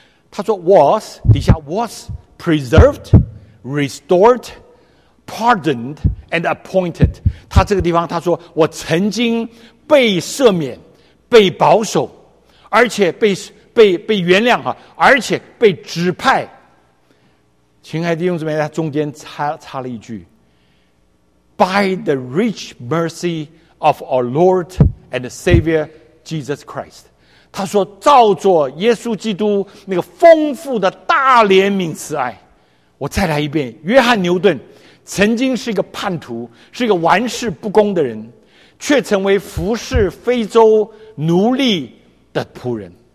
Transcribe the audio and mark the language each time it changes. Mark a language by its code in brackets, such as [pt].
[en] 他说 was preserved restored pardoned and appointed. [zh] 他这个地方他说我曾经被赦免被保守而且 被原谅而且被指派。 [en] 亲爱的弟兄姊妹他中间 插了一句 By the rich mercy of our Lord and Savior Jesus Christ. [zh] 他说照着耶稣基督那个丰富的大怜悯慈爱。我再来一遍约翰牛顿曾经是一个叛徒是一个玩世不恭的人却成为服侍非洲奴隶的仆人